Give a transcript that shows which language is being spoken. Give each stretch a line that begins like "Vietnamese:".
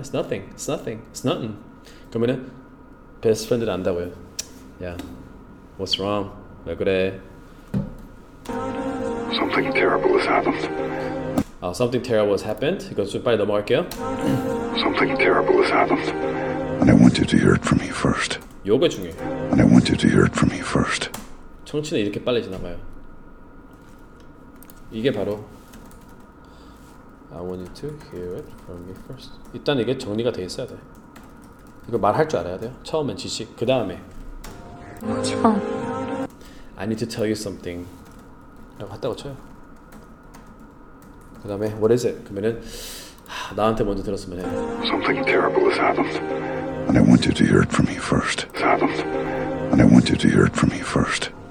English: It's nothing. It's nothing. It's nothing.
Korean: 그러면 best friend을 안다고요.
English: Yeah. What's wrong?
Korean: 왜 그래?
English: Something terrible has happened. Something terrible has happened.
Korean: 이거 좀 빨리 넘어갈게요.
English: Something terrible has happened. And I want you to hear it from me first.
Korean: 요거 중에.
English: And I want you to hear it from me first.
Korean: 청취는 이렇게 빨리 지나가요. 이게 바로
English: I want you to hear it from me first.
Korean: 일단 이게 정리가 돼 있어야 돼. 이거 말할 줄 알아야 돼요. 처음엔 지식, 그 다음에
English: What's wrong? I need to tell you something.
Korean: 라고 했다고 쳐요. 그 다음에
English: What is it?
Korean: 그러면은 나한테 먼저 들었으면 해.
English: Something terrible has happened. And I want you to hear it from me first. It's happened. And I want you to hear it from me first.